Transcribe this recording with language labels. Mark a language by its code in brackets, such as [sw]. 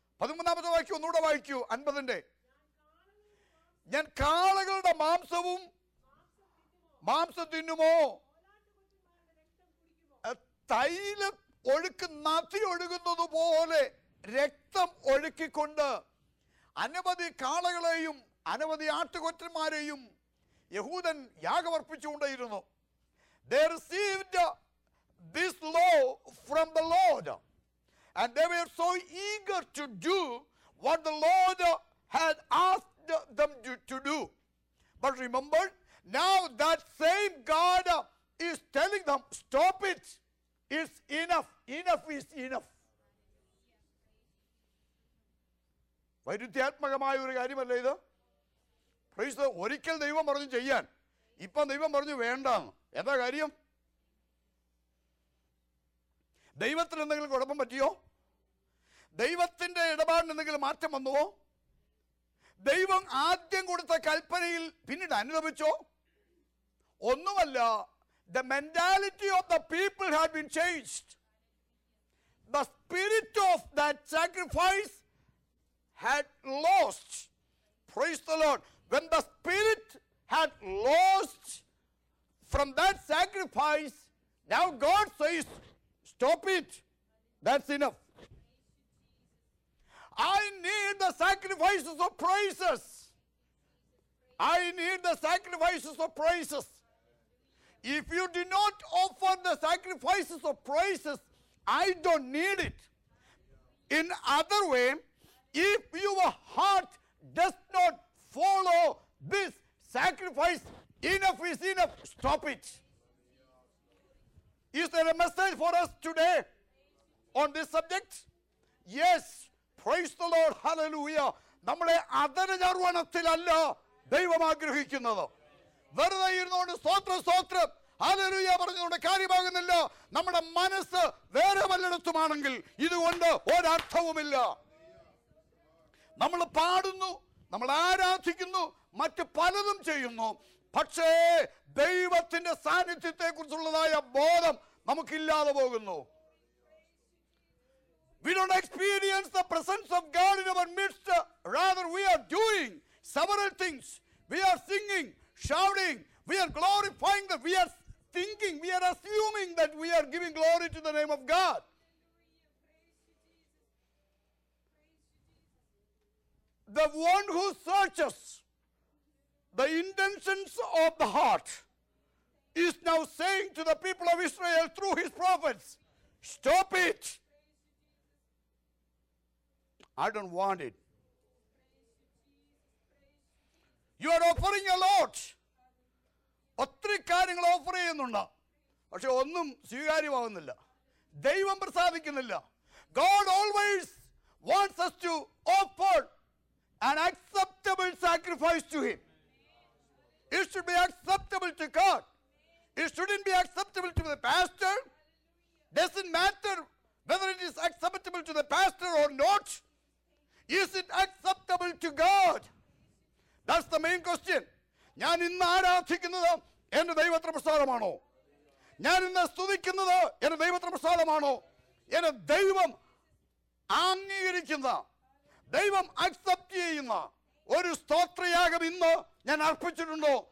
[ml] 13-ാമത്തെ വാക്യം ഒന്നുകൂടെ വായിക്കൂ, 50-ൻ്റെ. ഞാൻ കാളകളുടെ മാംസവും മാംസം തിന്നുമോ? തൈലം ഒഴുക്കുന്ന നദി ഒഴുകുന്നത് പോലെ രക്തം ഒഴുക്കിക്കൊണ്ട് അനവധി കാളകളെയും അനവധി ആട്ടുകൊറ്റന്മാരെയും യഹൂദൻ യാഗമർപ്പിച്ചുകൊണ്ടേയിരുന്നു. [en] They received this law from the Lord, and they were so eager to do what the Lord had asked them to do. But remember, now that same God is telling them, stop it, it's enough, enough is enough. [ml] വൈരുദ്ധ്യാത്മകമായ ഒരു കാര്യമല്ല ഇത്? [en] Praise the Lord. [ml] ഒരിക്കൽ ദൈവം പറഞ്ഞു ചെയ്യാൻ, ഇപ്പം ദൈവം പറഞ്ഞു വേണ്ടാന്ന്. എന്താ കാര്യം? ദൈവത്തിന് എന്തെങ്കിലും കുഴപ്പം പറ്റിയോ? ദൈവത്തിൻ്റെ ഇടപാടിന് എന്തെങ്കിലും മാറ്റം വന്നുവോ? ദൈവം ആദ്യം കൊടുത്ത കൽപ്പനയിൽ പിന്നീട് അനുഭവിച്ചോ? ഒന്നുമല്ല. [en] The mentality of the people have been changed. The spirit of the sacrifice had lost. Praise the Lord. When the spirit had lost from that sacrifice, now God says, stop it, that's enough. I need the sacrifices of praises. I need the sacrifices of praises. If you do not offer the sacrifices of praises, I don't need it. In other way, if your heart does not follow this sacrifice, enough is enough, stop it. Is there a message for us today on this subject? Yes, praise the Lord, hallelujah. [ml] നമ്മളെ അദരചർവണത്തിലല്ല ദൈവം ആഗ്രഹിക്കുന്നത്. വെറുതെ ഇരുന്നുകൊണ്ട് സ്തോത്രം സ്തോത്രം hallelujah പറഞ്ഞുകൊണ്ട് കാര്യമാകുന്നില്ല. നമ്മുടെ മനസ്സ് വേറെ വല്ലയിടത്തുമാണെങ്കിൽ ഇതുകൊണ്ട് ഒരർത്ഥവുമില്ല. നമ്മൾ പാടുന്നു, നമ്മൾ ആരാധിക്കുന്നു, മറ്റ് പലതും ചെയ്യുന്നു, പക്ഷേ ദൈവത്തിൻ്റെ സാന്നിധ്യത്തെ കുറിച്ചുള്ളതായ ബോധം നമുക്കില്ലാതെ പോകുന്നു. [en] We don't experience the presence of God in our midst. Rather, we are doing several things. We are singing, shouting, we are glorifying, we are thinking, we are assuming that we are giving glory to the name of God. The one who searches the intentions of the heart is now saying to the people of Israel through his prophets, stop it. I don't want it. You are offering a lot. [ml] ഒത്തിരി കാര്യങ്ങൾ offer ചെയ്യുന്നുണ്ട്, പക്ഷെ ഒന്നും സ്വീകാര്യമാകുന്നില്ല, ദൈവം പ്രസാദിക്കുന്നില്ല. [en] God always wants us to offer an acceptable sacrifice to him. It should be acceptable to God. It shouldn't be acceptable to the pastor. Doesn't matter whether it is acceptable to the pastor or not. Is it acceptable to God? That's the main question. [ml] ഞാൻ ഇന്ന് ആരാധിക്കുന്നത് എൻ്റെ ദൈവത്തിന് പ്രസാദമാണോ? ഞാൻ ഇന്ന് സ്തുതിക്കുന്നത് എൻ്റെ ദൈവത്തിന് പ്രസാദമാണോ? എൻ്റെ ദൈവം അംഗീകരിക്കുന്ന, ദൈവം അക്സെപ്റ്റ് ചെയ്യുന്ന ഒരു സ്തോത്രയാഗം ഇന്ന് ഞാൻ അർപ്പിച്ചിട്ടുണ്ടോ?